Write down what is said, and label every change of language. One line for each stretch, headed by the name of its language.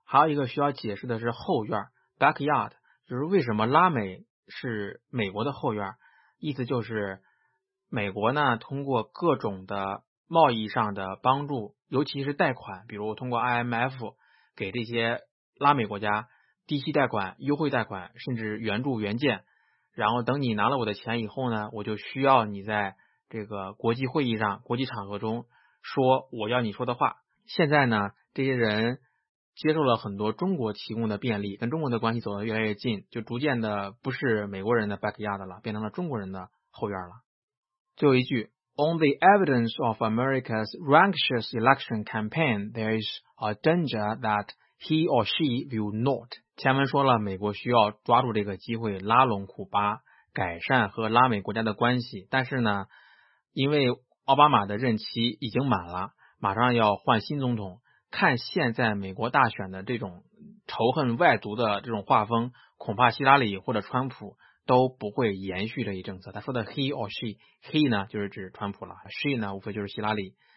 Chinese: 还有一个需要解释的是后院 backyard， 就是为什么拉美是美国的后院，意思就是美国呢通过各种的贸易上的帮助，尤其是贷款，比如通过 IMF 给这些拉美国家低息贷款、优惠贷款，甚至援助援建，然后等你拿了我的钱以后呢，我就需要你在这个国际会议上、国际场合中说我要你说的话。现在呢，这些人接受了很多中国提供的便利，跟中国的关系走得越来越近，就逐渐的不是美国人的 backyard 了，变成了中国人的后院了。最后一句，
English: On the evidence of America's rancorous election campaign, there is a danger thatHe or she will not.
Chinese: 前文说了，美国需要抓住这个机会拉拢古巴，改善和拉美国家的关系。但是呢，因为奥巴马的任期已经满了，马上要换新总统，看现在美国大选的这种仇恨外族的这种画风，恐怕希拉里或者川普都不会延续这一政策。他说的
English: he or she，
Chinese: he 呢就是指川普了， she 呢无非就是希拉里。